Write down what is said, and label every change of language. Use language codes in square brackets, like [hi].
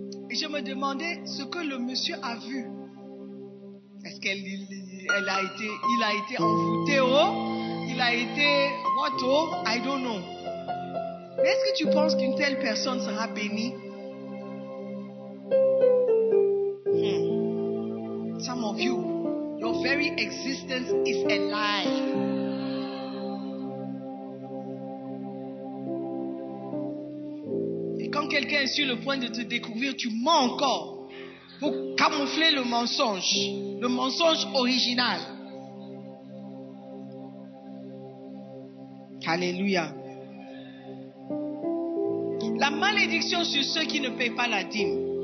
[fr] Et je me demandais ce que le monsieur a vu. Est-ce qu'elle il a été envoûté, oh? Il a été, [en] what, oh? I don't know. [fr] Mais est-ce que tu penses qu'une telle personne sera bénie? [en] Some of you, your very existence is a lie. [fr] Et quand quelqu'un est sur le point de te découvrir, tu mens encore pour camoufler le mensonge original. Alléluia. malédiction sur ceux qui ne paient pas la dîme.